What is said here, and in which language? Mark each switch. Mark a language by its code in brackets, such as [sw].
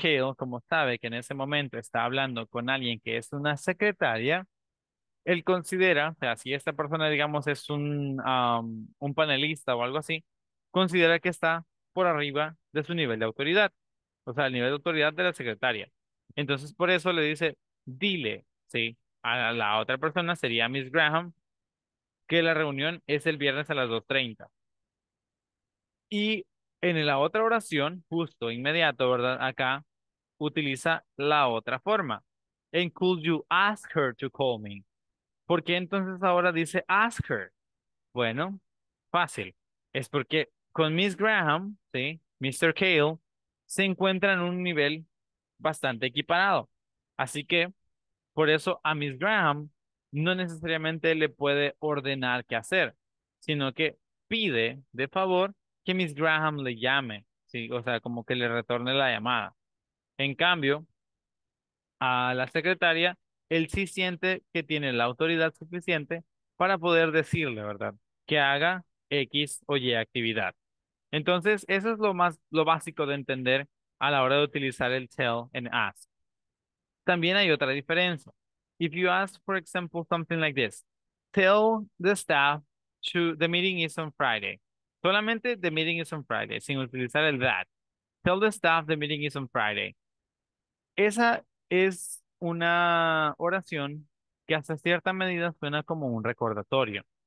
[es] Kale, como sabe que en ese momento está hablando con alguien que es una secretaria, él considera, o sea, si esta persona, digamos, es un panelista o algo así, considera que está por arriba de su nivel de autoridad, o sea, el nivel de autoridad de la secretaria. Entonces, por eso le dice, dile, ¿sí? A la otra persona, sería Miss Graham, que la reunión es el viernes a las 2:30. Y en la otra oración, justo inmediato, ¿verdad? Acá utiliza la otra forma. [en] And could you ask her to call me? [es] ¿Por qué entonces ahora dice ask her? Bueno, fácil. Es porque con Miss Graham, ¿sí? Mr. Kale, se encuentra en un nivel bastante equiparado. Así que, por eso a Miss Graham no necesariamente le puede ordenar qué hacer, sino que pide de favor que Miss Graham le llame, ¿sí? O sea, como que le retorne la llamada. En cambio, a la secretaria, él sí siente que tiene la autoridad suficiente para poder decirle, ¿verdad?, que haga X o Y actividad. Entonces, eso es lo básico de entender a la hora de utilizar el tell and ask. También hay otra diferencia. [en] If you ask, for example, something like this, tell the staff to the meeting is on Friday. [es] Solamente [en] the meeting is on Friday, [es] sin utilizar el that. [en] Tell the staff the meeting is on Friday. [es] Esa es una oración que hasta cierta medida suena como un recordatorio.